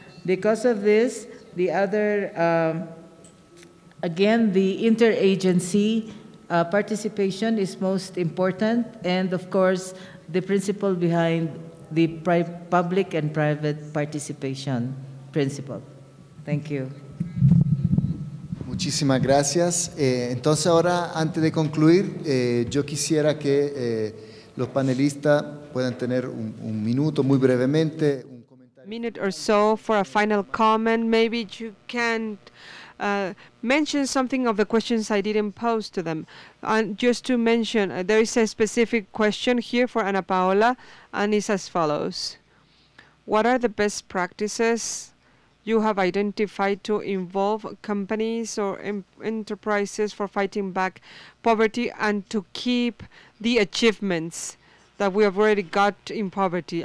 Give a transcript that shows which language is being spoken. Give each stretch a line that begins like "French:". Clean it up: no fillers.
English: Because of this, the other, again, the interagency participation is most important, and of course, the principle behind the public and private participation principle. Thank you.
Spanish: Muchísimas gracias. Entonces ahora, antes de concluir, yo quisiera que los panelistas puedan tener un minuto, muy brevemente. Un comentario.
English: Minute or so for a final comment. Maybe you can mention something of the questions I didn't pose to them. And just to mention, there is a specific question here for Ana Paola, and it's as follows. What are the best practices you have identified to involve companies or enterprises for fighting back poverty and to keep the achievements that we have already got in poverty?